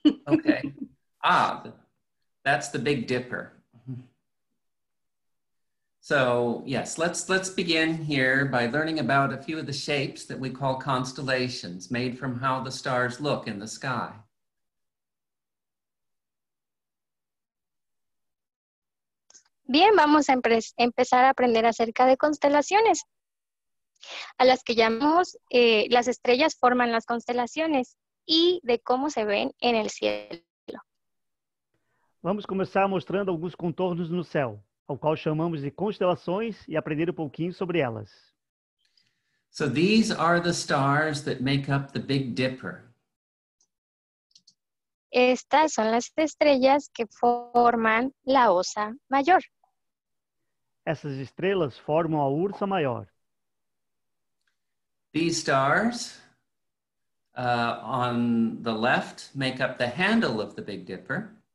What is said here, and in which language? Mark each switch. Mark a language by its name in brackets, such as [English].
[English] Okay. Ah, that's the Big Dipper. So, yes, let's begin here by learning about a few of the shapes that we call constellations, made from how the stars look in the sky. [Spanish] Bien, vamos a empezar a aprender acerca de constelaciones, a las que llamamos las estrellas forman las constelaciones y de cómo se ven en el cielo. [Portuguese] Vamos começar mostrando alguns contornos no céu, ao qual chamamos de constelações, e aprender um pouquinho sobre elas. [English] So these are the stars that make up the Big Dipper. [Spanish] Estas son las estrellas que forman la Osa Mayor. [Portuguese] Essas estrelas formam a Ursa Maior. [English] These stars on the left make up the handle of the Big Dipper.